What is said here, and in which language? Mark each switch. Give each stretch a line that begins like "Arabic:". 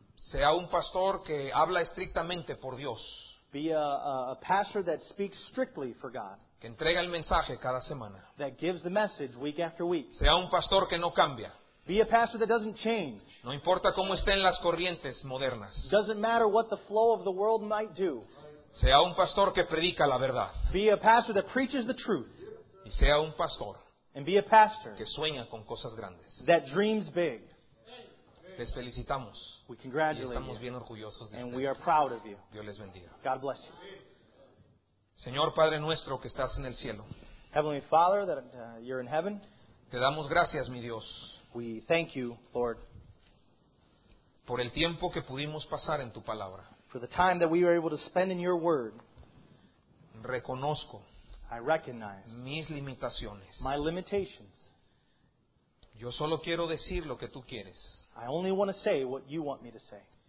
Spanish: Sea un pastor que habla estrictamente por Dios.
English: Be a pastor that speaks strictly for God.
Spanish: Que entrega el mensaje cada semana.
English: That gives the message week after week.
Spanish: Sea un pastor que no cambia.
English: Be a pastor that doesn't change.
Spanish: No importa cómo estén las corrientes modernas.
English: Doesn't matter what the flow of the world might do.
Spanish: Sea un pastor que predica la verdad.
English: Be a pastor that preaches the truth.
Spanish: Y sea un pastor.
English: And be a pastor.
Spanish: Que sueña con cosas grandes.
English: That dreams big.
Spanish: Les felicitamos.
English: We congratulate
Spanish: y estamos bien orgullosos de
English: and we are proud of you.
Spanish: Dios les bendiga.
English: God bless you.
Spanish: Señor Padre nuestro que estás en el cielo.
English: Heavenly Father, that you're in heaven.
Spanish: Te damos gracias, mi Dios.
English: We thank you, Lord.
Spanish: Por el tiempo que pudimos pasar en tu palabra.
English: For the time that we were able to spend in your word.
Spanish: Reconozco.
English: I recognize.
Spanish: Mis limitaciones.
English: My limitations.
Spanish: Yo solo quiero decir lo que tú quieres.
English: I only want to say what you want me to say.